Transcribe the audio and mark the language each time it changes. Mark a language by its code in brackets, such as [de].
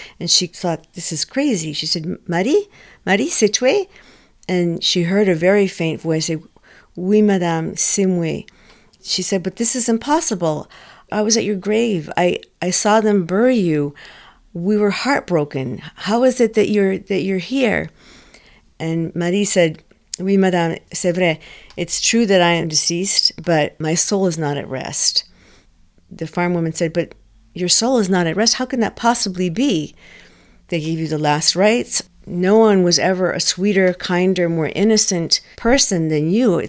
[en] And she thought, this is crazy. She said, [fr] Marie, Marie, c'est toi? [en] And she heard a very faint voice say, [fr] oui, madame, c'est moi. [en] She said, but this is impossible. I was at your grave. I saw them bury you. We were heartbroken. How is it that you're here? And Marie said, [fr] oui, madame, c'est vrai. [en] It's true that I am deceased, but my soul is not at rest. The farm woman said, but your soul is not at rest. How can that possibly be? They gave you the last rites. No one was ever a sweeter, kinder, more innocent person than you.